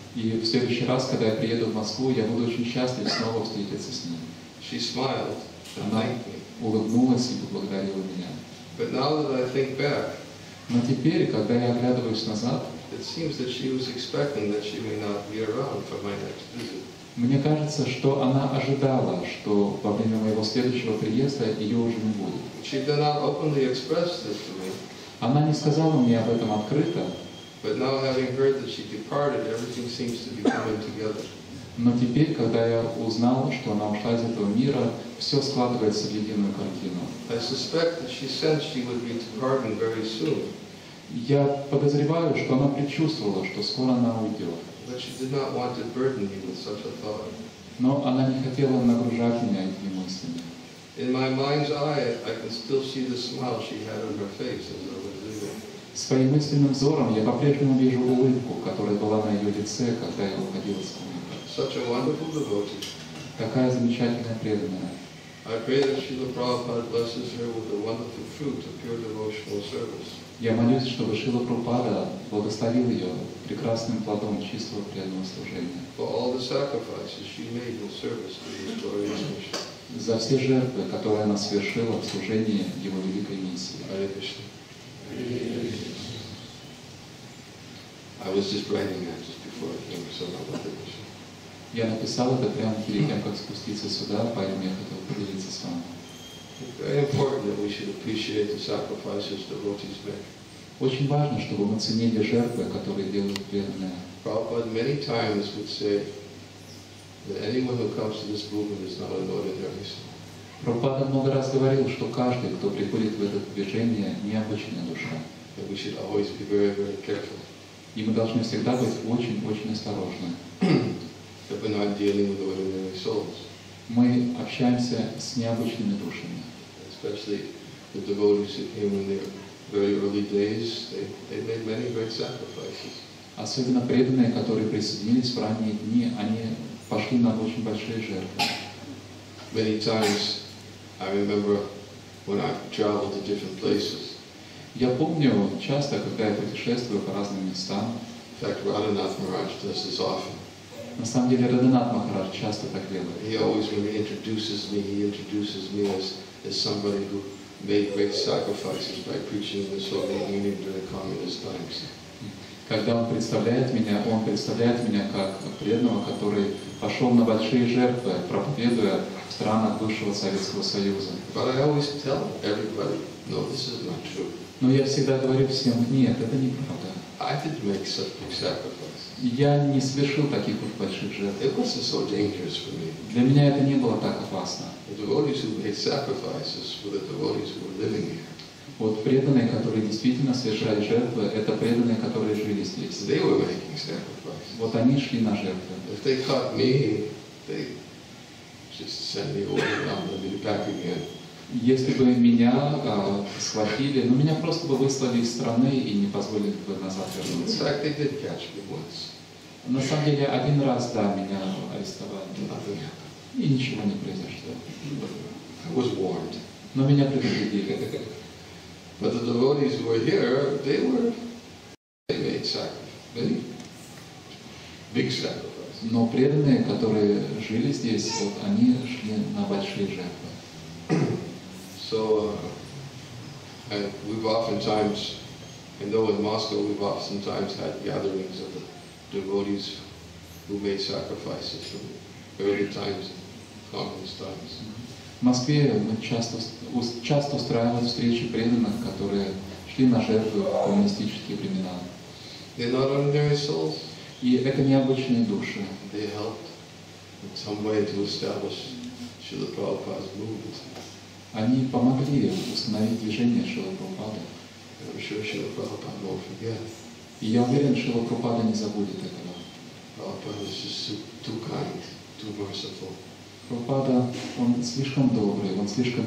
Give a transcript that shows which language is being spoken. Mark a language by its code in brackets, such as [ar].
[ru] И в следующий раз, когда я приеду в Москву, я буду очень счастлив снова встретиться с ней. [en] She smiled and thanked me. [ru] Она улыбнулась и поблагодарила меня. [en] But now that I think back, [ru] но теперь, когда я оглядываюсь назад, [en] it seems that she was expecting that she may not be around for my next visit. [ru] Мне кажется, что она ожидала, что во время моего следующего приезда ее уже не будет. [en] She did not openly express this to me. [ru] Она не сказала мне об этом открыто. [en] But now, having heard that she departed, everything seems to be coming together. [ru] Но теперь, когда я узнал, что она ушла из этого мира, все складывается в единую картину. [en] I suspect that she sensed she would be departing very soon. [ru] Я подозреваю, что она предчувствовала, что скоро она уйдет. [en] But she did not want to burden me with such a thought. [ru] Но она не хотела нагружать меня этими мыслями. [en] In my mind's eye, I can still see the smile she had on her face as I was leaving. [ru] Своим мысленным взором я по-прежнему вижу улыбку, которая была на ее лице, когда я уходил с ней. [en] Such a wonderful devotee. [ru] Такая замечательная преданная. [en] I pray that Srila Prabhupada blesses her with the wonderful fruit of pure devotional service. [ru] Я молюсь, чтобы Шрила Прабхупада благословил ее прекрасным плодом чистого преданного служения. [en] For all the sacrifices she made in service to this glorious mission. [ru] За все жертвы, которые она совершила в служении его великой миссии. [en] Hare Krishna. I was just writing that just before I came to Sarabha Devisha. [ru] Я написал это прямо перед тем, как спуститься сюда, поэтому я хотел поделиться с вами. [en] Very important that we should appreciate the sacrifices the devotees make. [ru] Очень важно, чтобы мы ценили жертвы, которые делают преданные. [en] Prabhupada many times would say that anyone who comes to this movement is not an ordinary soul. [ru] Prabhupada много раз говорил, что каждый, кто приходит в это движение, необычная душа. [en] That we should always be very, very careful. [ru] И мы должны всегда быть очень-очень осторожны. [en] That we're not dealing with ordinary souls. [ru] Мы общаемся с необычными душами. [en] Especially the devotees who came in their very early days, they made many great sacrifices. [ru] Особенно преданные, которые присоединились в ранние дни, они пошли на очень большие жертвы. [en] Many times I remember when I traveled to different places. [ru] Я помню часто, когда я путешествую по разным местам. [en] In fact, Радханатх Махарадж does this often. [ru] На самом деле, Радханатх Махарадж часто так делает. [en] He always, when he introduces me as somebody who made great sacrifices by preaching the Soviet Union during communist times. [ru] Когда он представляет меня как преданного, который пошел на большие жертвы, проповедуя в странах бывшего Советского Союза. [en] But I always tell everybody, no, this is not true. [ru] Но я всегда говорю всем, нет, это неправда. [en] I didn't make such big sacrifices. [ru] Я не совершил таких вот больших жертв. [en] It wasn't so dangerous for me. [ru] Для меня это не было так опасно. [en] The devotees who made sacrifices were the devotees who were living here. [ru] Вот преданные, которые действительно совершали жертвы, это преданные, которые жили здесь. [en] They were making sacrifices. [ru] Вот они шли на жертвы. [en] If they caught me, they just sent me over and I'd be back again. [ru] Если бы меня схватили, ну меня просто бы выслали из страны и не позволили бы назад вернуться. [en] In fact, they did catch me once. [ru] На самом деле, один раз, да, меня арестовали. И ничего не произошло. [en] I was warned. [ru] Но меня предупредили. [en] But the devotees who were here, they were, they made sacrifices, big sacrifices. [ru] Но преданные, которые жили здесь, вот, они шли на большие жертвы. [en] So, we've oftentimes, I know in Moscow, we've oftentimes had gatherings of the devotees who made sacrifices from early times, communist times. [ru] В Москве мы часто устраивали встречи преданных, которые шли на жертву в коммунистические времена. [en] They're not ordinary souls. [ru] И это необычные души. [en] They helped in some way to establish Śrīla Prabhupāda's movement. [ru] Они помогли установить движение Шрилы Прабхупады. [en] I'm sure Śrīla Prabhupāda won't forget. [ru] И я уверен, Шрила Прабхупада не забудет этого. [en] Prabhupāda is just too kind, too merciful. [ru] Прабхупада, он слишком добрый, он слишком